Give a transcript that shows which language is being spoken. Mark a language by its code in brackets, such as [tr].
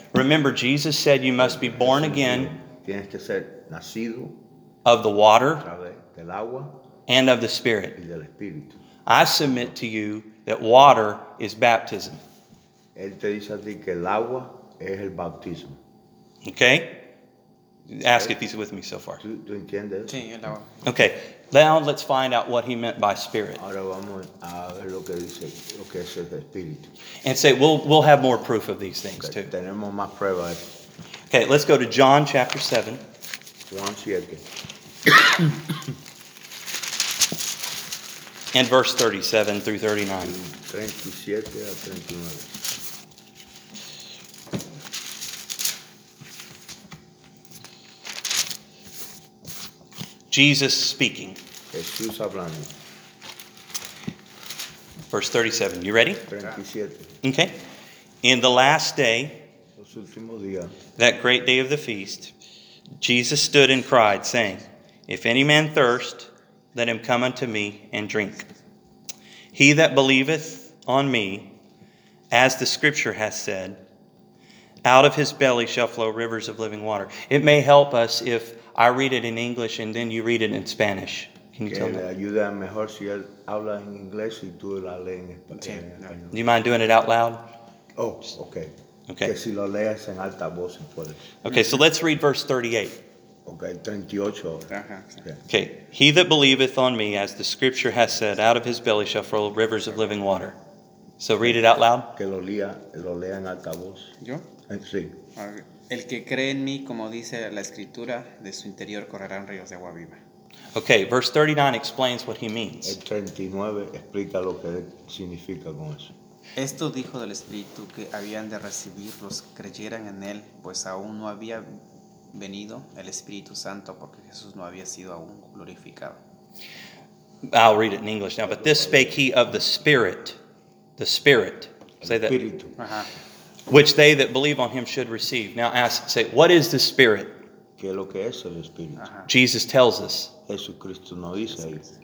[en] Remember, Jesus said you must be born again. [es] Tienes que ser nacido. [en] Of the water. [es] Del agua. [en] And of the Spirit. [es] Y del Espíritu. [en] I submit to you that water is baptism. [es] Él te dice a ti que el agua es el bautismo. [en] Okay. Ask if he's with me so far. [es] ¿Tú entiendes? Sí, no. [en] Okay, now let's find out what he meant by spirit. [es] Ahora vamos a ver lo que dice, lo que es el espíritu. [en] And say, we'll have more proof of these things, okay, too. [es] Tenemos más pruebas. [en] Okay, let's go to John chapter 7. [es] Juan 7. [en] And verse 37 through 39. [es] 37 a 39. [en] Jesus speaking. [es] Jesús hablando. [en] Verse 37. You ready? 37. Okay. In the last day, [es] los últimos días, [en] that great day of the feast, Jesus stood and cried, saying, if any man thirst, let him come unto me and drink. He that believeth on me, as the scripture has said, out of his belly shall flow rivers of living water. It may help us if I read it in English and then you read it in Spanish. Can you tell me? [es] Ayuda mejor si él habla en inglés y tú la lees en español. [en] Do you mind doing it out loud? Oh, okay. Okay. [es] Que si lo leas en alta voz en puedes. [en] Okay, so let's read verse 38. Okay, 38. Uh-huh. Okay. He that believeth on me, as the scripture has said, out of his belly shall flow rivers of living water. So read it out loud. [es] Que lo lea en alta voz. ¿Yo? Sí. El que cree en mí, como dice la escritura, de su interior correrán ríos de agua viva. [en] Okay, verse 39 explains what he means. [es] El 39 explica lo que significa con eso. Esto dijo del Espíritu que habían de recibir los que creyeran en él, pues aún no había venido el Espíritu Santo porque Jesús no había sido aún glorificado. [en] I'll read it in English now, but this spake he of the Spirit. The Spirit. Say that. [es] Espíritu. Ajá. [en] Which they that believe on him should receive. Now ask, say, what is the Spirit? [es] ¿Qué es lo que es el Espíritu? [en] Jesus tells us. [es] Jesucristo nos dice.